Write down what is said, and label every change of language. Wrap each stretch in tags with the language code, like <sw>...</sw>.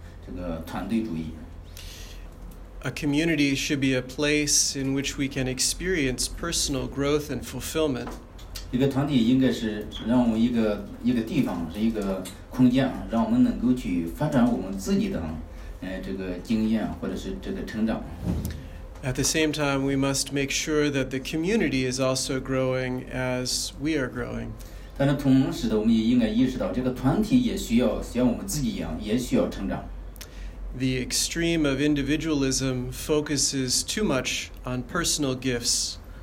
<zh>这个当时方的同一个团体来讲，有两个极端的这个情形会伤害这个团体的，一个就是这个个人主义，一个就是这个极端的这个团队主义。A</zh> <en>community should be a place in which we can experience personal growth and fulfillment.</en> <zh>一个团体应该是让我们一个地方，是一个空间，让我们能够去发展我们自己的这个经验，或者是这个成长。</zh> <en>At the same time, we must make sure that the community is also growing as we are growing.</en> <zh>但是同时的我们也应该意识到这个团体也需要像我们自己一样也需要成长。</zh> <en>The extreme of individualism focuses too much on personal gifts.</en>